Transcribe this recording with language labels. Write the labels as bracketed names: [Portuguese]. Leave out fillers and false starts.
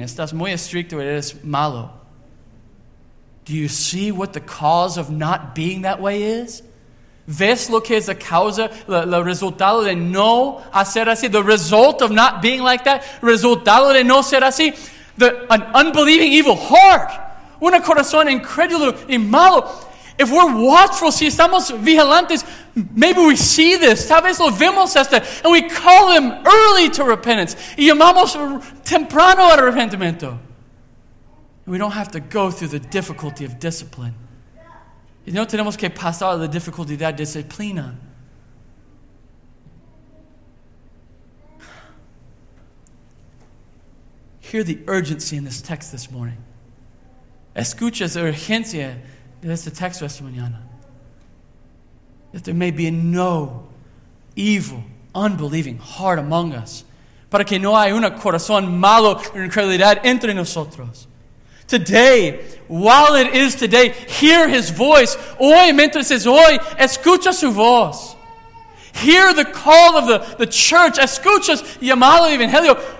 [Spanish] Estás muy estricto y eres malo. [English] Do you see what the cause of not being that way is? [Spanish] ¿Ves lo que es la causa, el resultado de no hacer así? [English] The result of not being like that? [Spanish] ¿Resultado de no ser así? [English] An unbelieving evil heart. [Spanish] Un corazón incrédulo y malo. [English] If we're watchful, [Spanish] si estamos vigilantes, [English] maybe we see this. [Spanish] Tal vez lo vemos esto. [English] And we call them early to repentance. [Spanish] Y llamamos temprano al arrepentimiento. [English] We don't have to go through the difficulty of discipline. [Spanish] Y no tenemos que pasar la dificultad de la disciplina. [English] Hear the urgency in this text this morning. [Spanish] Escucha la urgencia de este texto esta mañana. [English] That there may be no evil, unbelieving heart among us. [Spanish] Para que no haya un corazón malo o incredulidad entre nosotros. [English] Today, while it is today, hear his voice. [Spanish] Hoy, mientras es hoy, escucha su voz. [English] Hear the call of the church. [Spanish] Escucha llamado evangelio.